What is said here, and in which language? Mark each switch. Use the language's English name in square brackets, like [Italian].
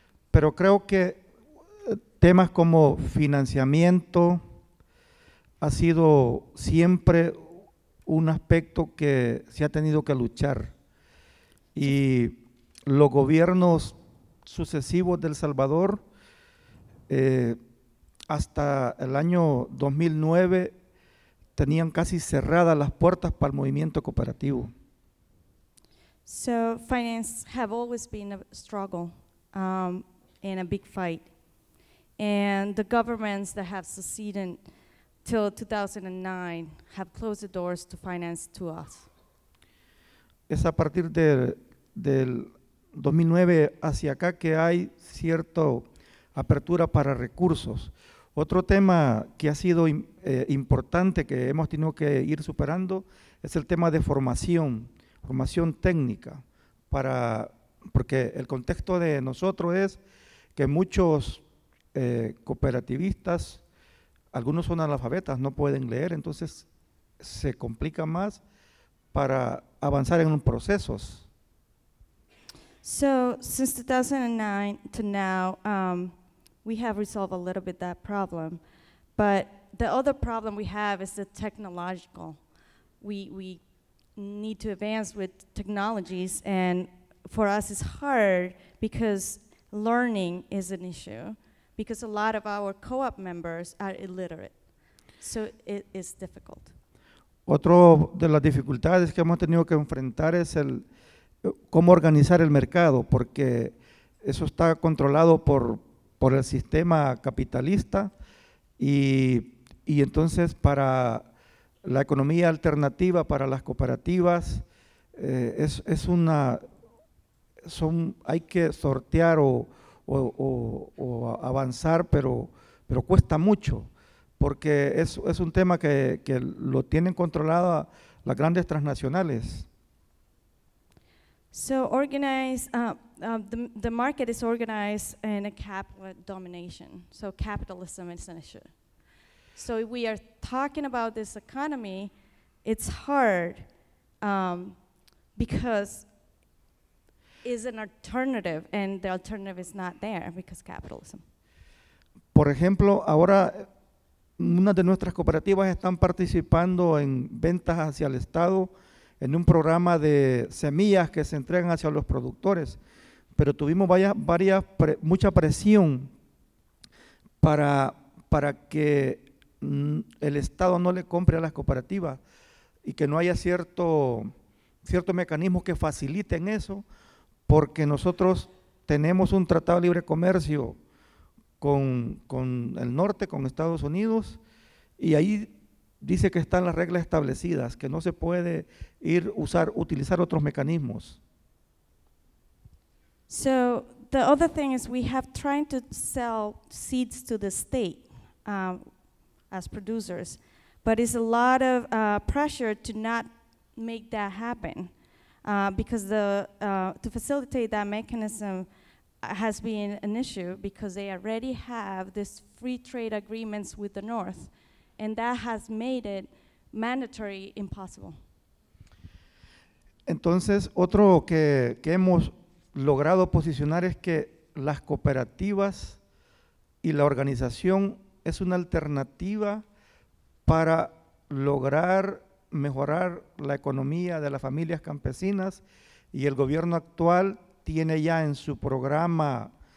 [Spanish] Pero creo que temas como financiamiento ha sido siempre un aspecto que se ha tenido que luchar. Y los gobiernos sucesivos de El Salvador, hasta el año 2009, tenían casi cerradas las puertas para el movimiento cooperativo. [English] So, finance have always been a struggle and a big fight. And the governments that have succeeded till 2009 have closed the doors to finance to us. [Spanish] Es a partir del 2009 hacia acá que hay cierta apertura para recursos. Otro tema que ha sido importante que hemos tenido que ir superando es el tema de formación técnica, porque el contexto de nosotros es que muchos cooperativistas, algunos son analfabetas, no pueden leer, entonces se complica más para avanzar en los procesos. [English] So, since 2009 to now, we have resolved a little bit that problem, but the other problem we have is the technological. We need to advance with technologies, and for us it's hard because learning is an issue. Because a lot of our co-op members are illiterate, so it is difficult. [Spanish] Otro de las dificultades que hemos tenido que enfrentar es el cómo organizar el mercado, porque eso está controlado por el sistema capitalista, y entonces para la economía alternativa, para las cooperativas, hay que sortear o avanzar, pero cuesta mucho, porque es un tema que lo tienen controlado las grandes transnacionales. [English] So organized, the market is organized in a capital domination, so capitalism is an issue. So if we are talking about this economy, it's hard because is an alternative, and the alternative is not there because capitalism. [Spanish] Por ejemplo, ahora una de nuestras cooperativas están participando en ventas hacia el Estado en un programa de semillas que se entregan hacia los productores, pero tuvimos mucha presión para que el Estado no le compre a las cooperativas y que no haya cierto mecanismo que faciliten eso, porque nosotros tenemos un tratado de libre comercio con el norte, con Estados Unidos, y ahí dice que están las reglas establecidas, que no se puede ir utilizar otros mecanismos. [English] So the other thing is we have trying to sell seeds to the state as producers, but it's a lot of pressure to not make that happen because to facilitate that mechanism has been an issue because they already have this free trade agreements with the North, and that has made it mandatory impossible. [Spanish] Entonces, otro que hemos logrado posicionar es que las cooperativas y la organización es una alternativa para lograr mejorar la economía de las familias campesinas, y el gobierno actual tiene ya en su programa